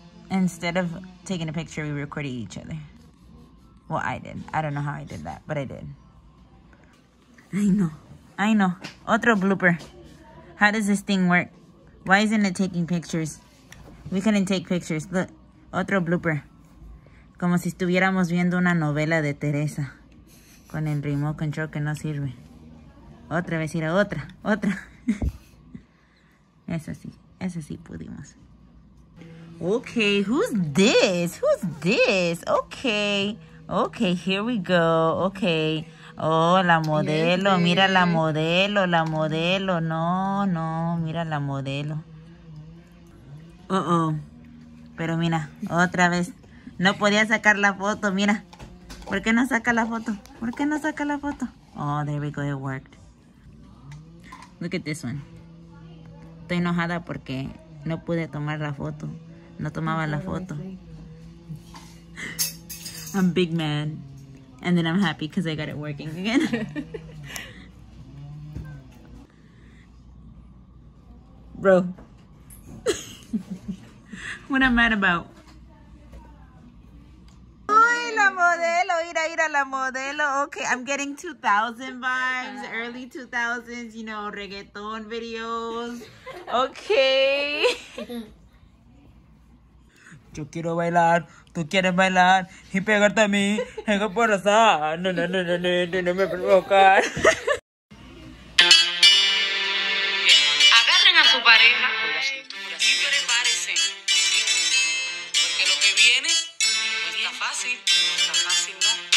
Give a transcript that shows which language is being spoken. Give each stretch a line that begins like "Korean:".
English: Instead of taking a picture, we recorded each other. Well, I did. I don't know how I did that, but I did. I know.
Spanish: Otro blooper.
English: How does this thing work? Why isn't it taking pictures? We couldn't take pictures. Look.
Spanish: Otro blooper. Como si estuviéramos viendo una novela de Teresa. Con el
English: remote control
Spanish: que no sirve. Otra vez, mira, otra, otra. Eso sí pudimos.
English: Okay, who's this? Who's this? Okay, okay, here we go, okay.
Spanish: Oh, la modelo, mira la modelo, no, no, mira la modelo. Pero mira, otra vez, no podía sacar la foto, mira. ¿Por qué no saca la foto? ¿Por qué no saca la foto?
English: Oh, there we go, it worked. Look at this one.
Spanish: Estoy enojada porque no pude tomar la foto. No tomaba la foto.
English: I'm big man. And then I'm happy because I got it working again. Bro. What am I mad about?
Spanish: Uy, la modelo. Ira, ira, la modelo. Okay,
English: I'm getting 2000 vibes. Early 2000s, you know, reggaeton videos. Okay.
Spanish: Yo quiero bailar, tú quieres bailar y pegarte a mí, tengo por azar. No, no, no, no, no, no, no me provocar. Agarren a su pareja con la cintura y prepárense. Porque lo que viene no está fácil, no está fácil, ¿no?